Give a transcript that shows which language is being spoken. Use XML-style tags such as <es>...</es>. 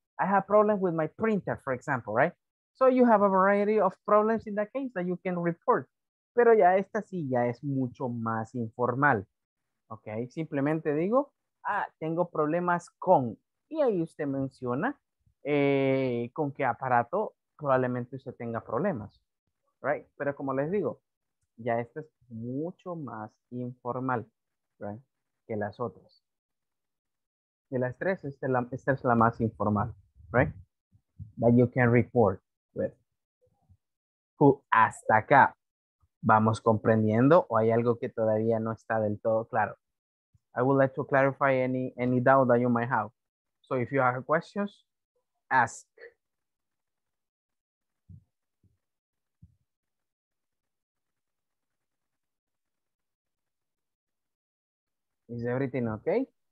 <en>I have problems with my printer, for example, right? So you have a variety of problems in that case that you can report.</en> <es>Pero ya esta sí, ya es mucho más informal. Ok, simplemente digo, ah, tengo problemas con. Y ahí usted menciona con qué aparato probablemente usted tenga problemas. Right? Pero como les digo, ya esta es mucho más informal, right, que las otras. De las tres, esta es la más informal. Right?</es> <en>That you can report with.</en> <es>Hasta acá. ¿Vamos comprendiendo o hay algo que todavía no está del todo claro?</es> <en>I would like to clarify any doubt that you might have. So if you have questions, ask. Is everything okay?</en>